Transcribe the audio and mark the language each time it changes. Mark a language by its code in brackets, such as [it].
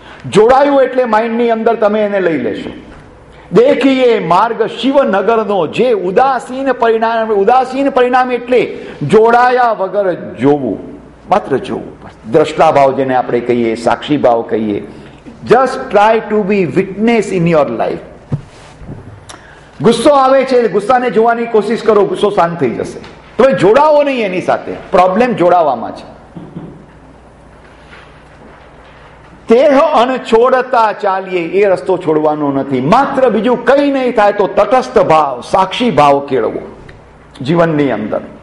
[gu] જોડાયું એટલે માઇન્ડની અંદર તમે એને લઈ લેશો. દેખીએ માર્ગ શિવ નગરનો, જે ઉદાસીન પરિણામ. ઉદાસીન પરિણામ એટલે જોડાયા વગર જોવું, માત્ર જોવું. દ્રષ્ટાભાવ જેને આપણે કહીએ, સાક્ષી ભાવ કહીએ. [en] Just try to be witness in your life. [gu] ગુસ્સો આવે છે, ગુસ્સાને જોવાની કોશિશ કરો, ગુસ્સો શાંત થઈ જશે. તમે જોડાવો નહીં એની સાથે, પ્રોબ્લેમ જોડાવામાં છે. તેહ અણ છોડતા ચાલીએ, એ રસ્તો છોડવાનો નથી. માત્ર બીજું કઈ નહીં થાય તો તટસ્થ ભાવ, સાક્ષી ભાવ કેળવો જીવનની અંદર.